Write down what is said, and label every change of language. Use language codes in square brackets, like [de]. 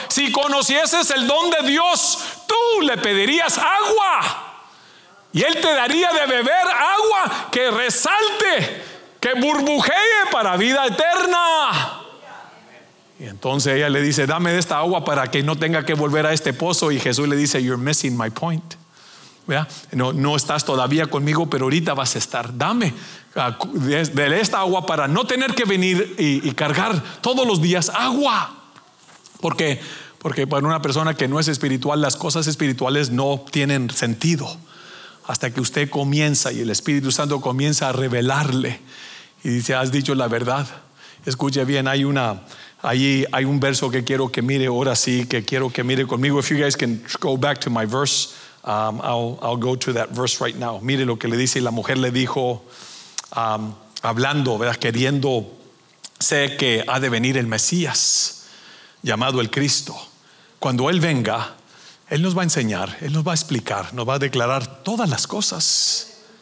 [es] Si conocieses el don de Dios, tú le pedirías agua y él te daría de beber agua que resalte, que burbujee para vida eterna. Y entonces ella le dice, dame de esta agua para que no tenga que volver a este pozo. Y Jesús le dice, [en] you're missing my point. [es] No estás todavía conmigo, pero ahorita vas a estar. Dame de esta agua para no tener que venir y cargar todos los días agua. Porque para una persona que no es espiritual, las cosas espirituales no tienen sentido hasta que usted comienza y el Espíritu Santo comienza a revelarle. Y dice, has dicho la verdad. Escuche bien, hay un verso que quiero que mire ahora sí, que quiero que mire conmigo. [en] If you guys can go back to my verse, I'll go to that verse right now. [es] Mire lo que le dice. Y la mujer le dijo, hablando, ¿verdad?, queriendo, sé que ha de venir el Mesías, llamado el Cristo. Cuando Él venga, Él nos va a enseñar, Él nos va a explicar, nos va a declarar todas las cosas.